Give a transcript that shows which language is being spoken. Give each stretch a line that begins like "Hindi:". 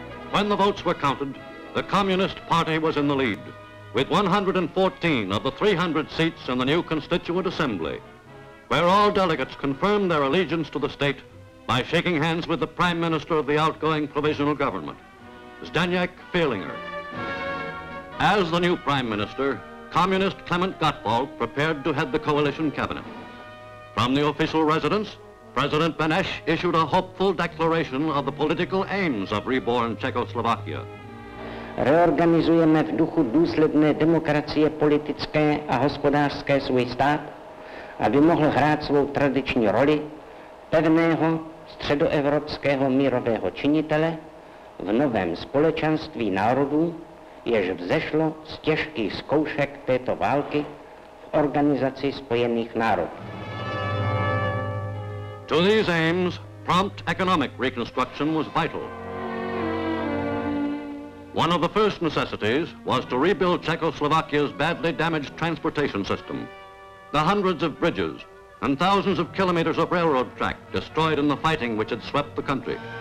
English: When the votes were counted, the Communist Party was in the lead, with 114 of the 300 seats in the new Constituent Assembly, where all delegates confirmed their allegiance to the state by shaking hands with the Prime Minister of the outgoing provisional government, Zdeněk Fehlinger. As the new Prime Minister, Communist Klement Gottwald prepared to head the coalition cabinet. From the official residence, President Beneš issued a hopeful declaration of the political aims of reborn Czechoslovakia.
Czech: Reorganizujeme v duchu důsledné demokracie politické a hospodářské svůj stát, aby mohl hrát svou tradiční roli pevného středoevropského mírového činitele v novém společenství národů, jež vzešlo z těžkých zkoušek této války v Organizaci spojených národů.
English: To these aims, prompt economic reconstruction was vital. One of the first necessities was to rebuild Czechoslovakia's badly damaged transportation system. The hundreds of bridges and thousands of kilometers of railroad track destroyed in the fighting which had swept the country.